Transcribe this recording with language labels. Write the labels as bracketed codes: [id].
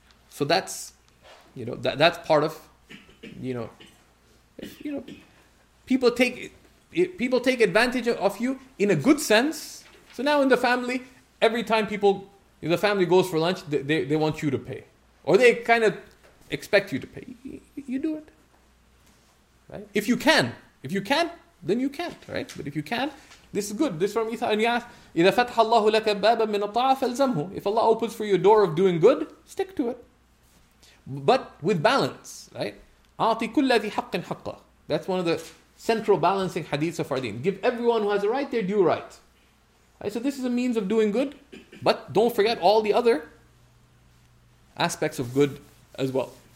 [en] So that's, you know, that's part of, you know, if, you know, people take advantage of you in a good sense. So now in the family, every time the family goes for lunch, they want you to pay. Or they kind of expect you to pay. You do it. Right? If you can. If you can't, then you can't. Right? But if you can, this is good. This is from Isa. And you ask, [ar] إِذَا فَتْحَ اللَّهُ لَكَ بَابًا مِنَ الطَّعَى فَالْزَمْهُ. [en] If Allah opens for you a door of doing good, stick to it. But with balance. Right? [ar] أَعْطِ كُلَّ ذِي حَقٍ حَقَّهُ. [en] That's one of the central balancing hadiths of our deen. Give everyone who has a right their due right. Right? So this is a means of doing good, but don't forget all the other aspects of good as well.